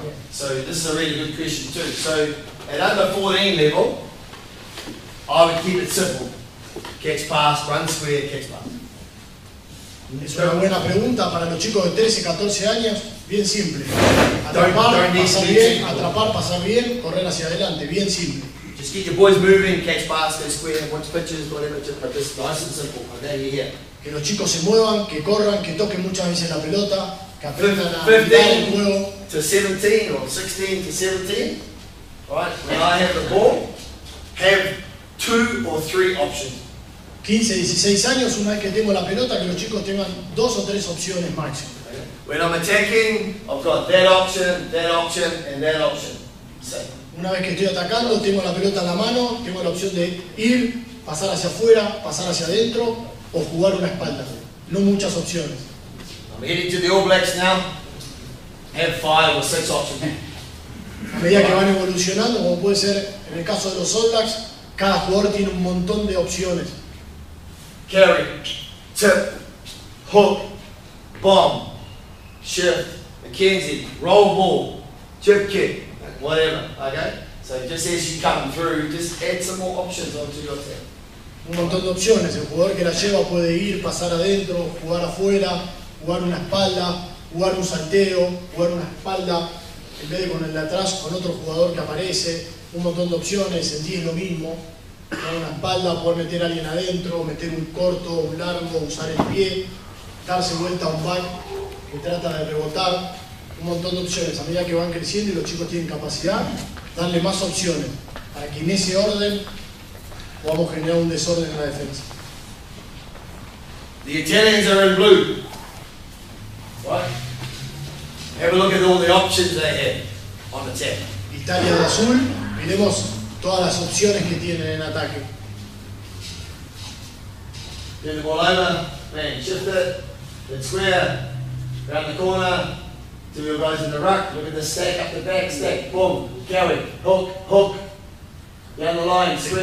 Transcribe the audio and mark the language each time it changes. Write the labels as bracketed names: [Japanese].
[English] So, this is a really good question too. So, at under 14 level, I would keep it simple. Catch pass, run square, catch pass. [Spanish] Es una buena pregunta para los chicos de 13, 14 años. Bien simple. Atrapar, pasar bien, correr hacia adelante. Bien simple. [English] Just keep your boys moving, catch pass, go square, watch pitches, whatever. Just like this, nice and simple. And then you're here. [Spanish] Que los chicos se muevan, que corran, que toquen muchas veces la pelota, que aprendan a jugar el juego. [English] 15-17 or 16-17. Right, when I have the ball, have 2 or 3 options. [Spanish] 15, 16 años, una vez que tengo la pelota, que los chicos tengan 2 o 3 opciones máximo. [English] When I'm attacking, I've got that option, and that option. Same. [Spanish] Una vez que estoy atacando, tengo la pelota en la mano, tengo la opción de ir, pasar hacia afuera, pasar hacia adentro, o jugar una espalda. No muchas opciones. [English] I'm heading to the All Blacks now. Have 5 or 6 options. [Spanish] A medida que van evolucionando, como puede ser en el caso de los All Blacks, cada jugador tiene un montón de opciones. [English] Carry, tip, hook, bomb, shift, Mackenzie, roll ball, chip kick, whatever, okay? So just as you come through, just add some more options onto your team. [Spanish] Un montón de opciones. El jugador que la lleva puede ir, pasar adentro, jugar afuera, jugar una espalda, jugar un salteo, jugar una espalda, en vez de con el de atrás, con otro jugador que aparece. Un montón de opciones, sentir lo mismo, dar una espalda, poder meter a alguien adentro, meter un corto, un largo, usar el pie, darse vuelta a un back que trata de rebotar, un montón de opciones. A medida que van creciendo y los chicos tienen capacidad, darle más opciones para que en ese orden podamos generar un desorden en la defensa. [English] The Italians are in blue. What? Have a look at all the options they have on the tap. [Spanish] Italia de azul. Miremos todas las opciones que tienen en ataque. [English] Then the ball over, man, shift it, then square, round the corner, to your guys in the ruck, look at the stack, up the back, stack, boom, carry, hook, hook, down the line, square.